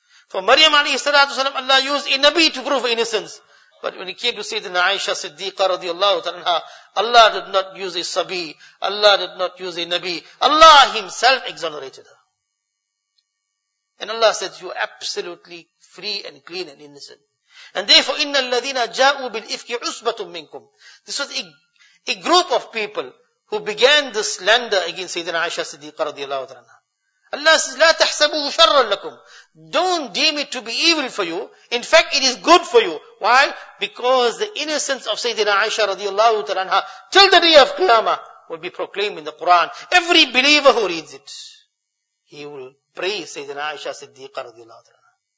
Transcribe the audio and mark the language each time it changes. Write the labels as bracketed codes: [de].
[en] For Maryam alayhi salatu wasalam, Allah used a Nabi to prove innocence. But when he came to Sayyidina Aisha Siddiqa radiallahu ta'ala, Allah did not use a Sabi. Allah did not use a Nabi. Allah himself exonerated her. And Allah said, you are absolutely free and clean and innocent. And therefore, [ar] إِنَّ الَّذِينَ جَاءُوا بِالْإِفْكِ عُصْبَةٌ مِّنْكُمْ. [en] This was a group of people who began the slander against Sayyidina Aisha Siddiqa radiallahu ta'ala. Allah says, [ar] لَا تَحْسَبُهُ شَرًّا لَكُمْ. [en] Don't deem it to be evil for you. In fact, it is good for you. Why? Because the innocence of Sayyidina Aisha radiallahu ta'ala anha till the day of Qiyamah will be proclaimed in the Quran. Every believer who reads it, he will praise Sayyidina Aisha Siddiqa radiallahu ta'ala.